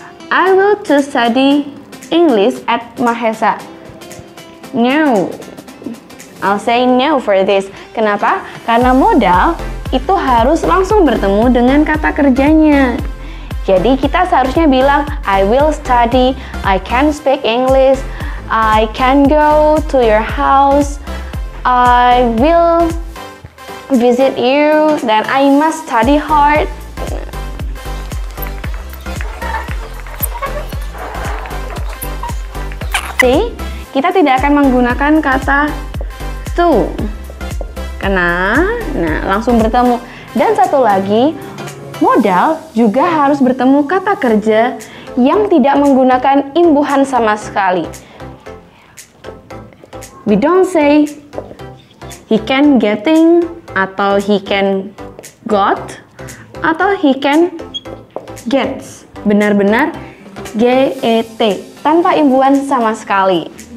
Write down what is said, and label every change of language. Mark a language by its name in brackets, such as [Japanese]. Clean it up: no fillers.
[English] I will to study English at Mahesa. No, I'll say no for this. [Indonesian] Kenapa? Karena modal itu harus langsung bertemu dengan kata kerjanya. Jadi kita seharusnya bilang [English] I will study, I can speak English, I can go to your house, I will visit you, then I must study hard. See? [Indonesian] Kita tidak akan menggunakan kata to. Kena, nah langsung bertemu. Dan satu lagi, modal juga harus bertemu kata kerja yang tidak menggunakan imbuhan sama sekali. [English] We don't say he can getting atau he can got atau he can gets. [Indonesian] Benar-benar get tanpa imbuhan sama sekali.